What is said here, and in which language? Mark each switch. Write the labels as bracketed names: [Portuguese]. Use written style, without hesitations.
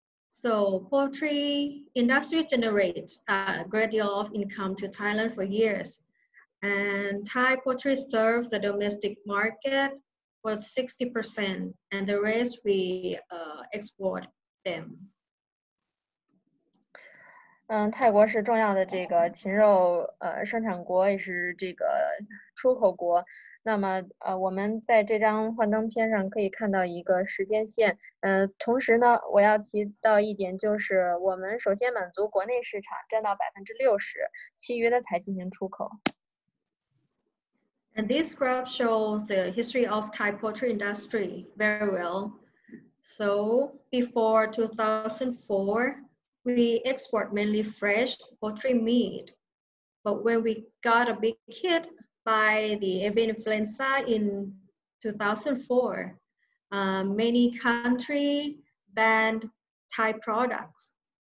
[English] So poultry industry generates a great deal of income to Thailand for years. And Thai poultry serves the domestic market for 60%, and the rest we export them. [Chinese] 泰国是重要的这个禽肉生产国，也是这个出口国。那么我们在这张幻灯片上可以看到一个时间线。同时呢，我要提到一点，就是我们首先满足国内市场，占到60%，其余的才进行出口。 [English] And this graph shows the history of Thai poultry industry very well. So before 2004. We export mainly fresh poultry meat, but when we got a big hit by the avian influenza in 2004, many countries banned Thai products.